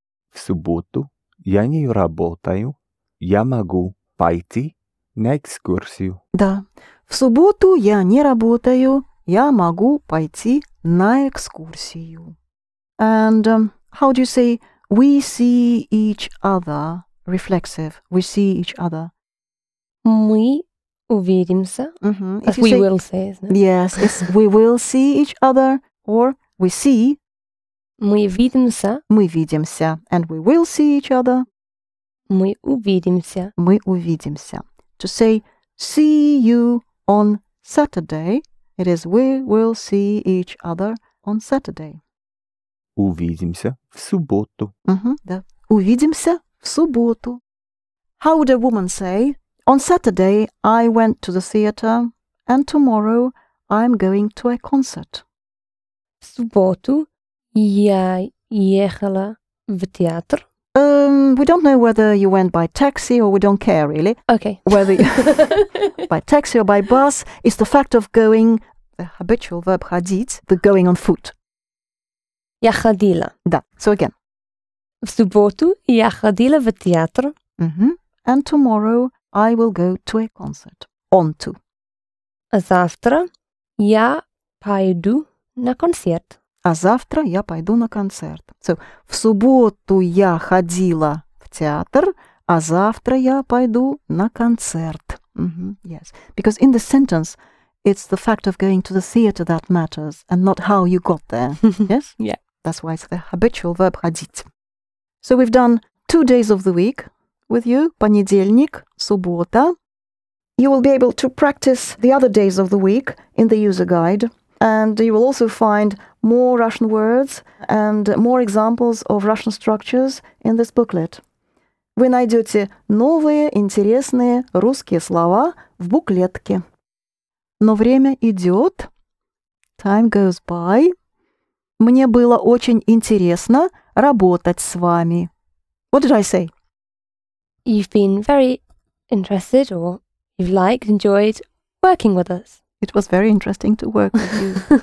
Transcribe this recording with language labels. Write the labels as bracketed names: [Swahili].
[Russian] В субботу я не работаю, я могу пойти на экскурсию. Да. В субботу я не работаю, я могу пойти на экскурсию. [English] And how do you say we see each other? Reflexive. We see each other. [Russian] Мы увидимся. [English] As we will say, isn't it? Yes. We will see each other or we see. [Russian] Мы видимся. Мы видимся. [English] And we will see each other. [Russian] Мы увидимся. Мы увидимся. [English] To say see you on Saturday. It is, we will see each other on Saturday. [Russian] Увидимся в субботу. Да. Увидимся в субботу. [English] How would a woman say, on Saturday I went to the theater and tomorrow I'm going to a concert? [Russian] В субботу я ехала в театр. [English] We don't know whether you went by taxi or we don't care, really. Okay. Whether you by taxi or by bus, it's the fact of going, the habitual verb ходить, the going on foot. [Russian] Я ходила. Да. [English] So again. [Russian] В субботу я ходила в театр. Mm-hmm. [English] And tomorrow I will go to a concert. On to. [Russian] А завтра я пойду на концерт. А завтра я пойду на концерт. So, в субботу я ходила в театр, а завтра я пойду на концерт. [English] Mm-hmm, yes, because in the sentence, it's the fact of going to the theater that matters and not how you got there. Yes? Yeah. That's why it's the habitual verb ходить. So we've done 2 days of the week with you, понедельник, суббота. You will be able to practice the other days of the week in the user guide. And you will also find more Russian words and more examples of Russian structures in this booklet. [Russian] Вы найдете новые интересные русские слова в буклетке. Но время идет. [English] Time goes by. [Russian] Мне было очень интересно работать с вами. [English] What did I say? You've been very interested or you've liked, enjoyed working with us. It was very interesting to work with you.